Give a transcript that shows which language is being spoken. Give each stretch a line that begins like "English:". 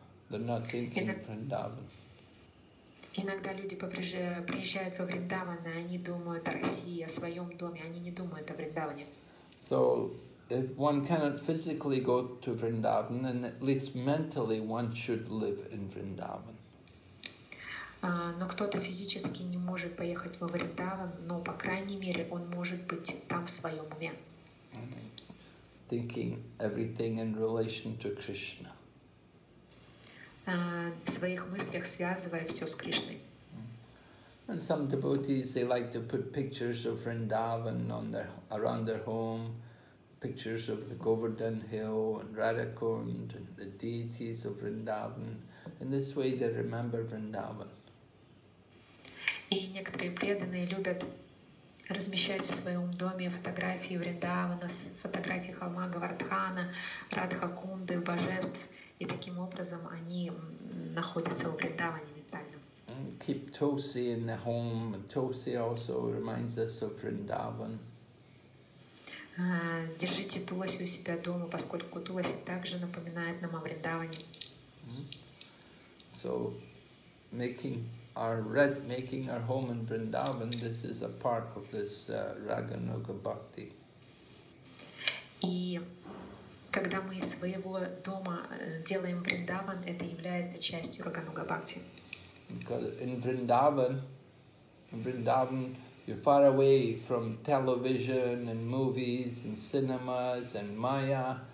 English: They're not thinking in Vrindavan.
Russian: Иногда люди приезжают во Вриндаван, и они думают о России, о своем доме, они не думают о Вриндаване.
English: So, if one cannot physically go to Vrindavan, then at least mentally one should live in Vrindavan.
Russian: Но кто-то физически не может поехать во Вриндаван, но, по крайней мере, он может быть там в своем уме.
English: Thinking everything in relation to Krishna.
Russian: В своих мыслях связывая все с Кришной.
English: And some devotees, they like to put pictures of Vrindavan on their, around their home, pictures of the Govardhan Hill and Radhakund and the deities of Vrindavan. In this way they remember Vrindavan.
Russian: И некоторые преданные любят размещать в своем доме фотографии Вриндавана, фотографии холма Говардхана, Радхакунды, божеств. И таким образом они находятся у Вриндаване ментально.
English: Keep Tulsi in the home. Tulsi also reminds us of Vrindavan.
Russian: Держите Тулоси у себя дома, поскольку Тулоси также напоминает нам о Вриндаване.
English: So making our home in Vrindavan, this is a part of this Raganuga Bhakti.
Russian: И когда мы из своего дома делаем Вриндаван, это является частью Рагануга Бхакти.
English: In Vrindavan, you're far away from television and movies and cinemas and Maya.